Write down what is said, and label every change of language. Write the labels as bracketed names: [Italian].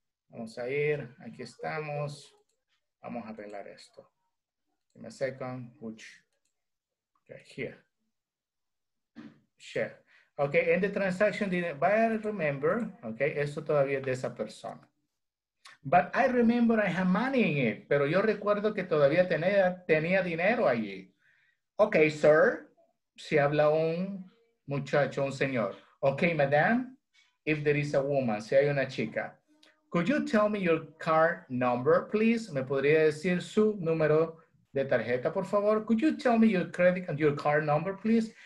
[Spanish] Vamos a ir, aquí estamos. Vamos a arreglar esto. [English] Give me a second, which, okay, here. Share. Okay, and the transaction didn't, but I remember, okay, [Spanish] esto todavía es de esa persona. [English] But I remember I had money in it. [Spanish] Pero yo recuerdo que todavía tenía dinero allí. [English] Okay, sir. [Spanish] Si habla un muchacho, un señor. [English] Okay, madam. If there is a woman, [Spanish] si hay una chica. [English] Could you tell me your card number, please? [Spanish] ¿Me podría decir su número de tarjeta, por favor? [English] Could you tell me your credit and your card number, please?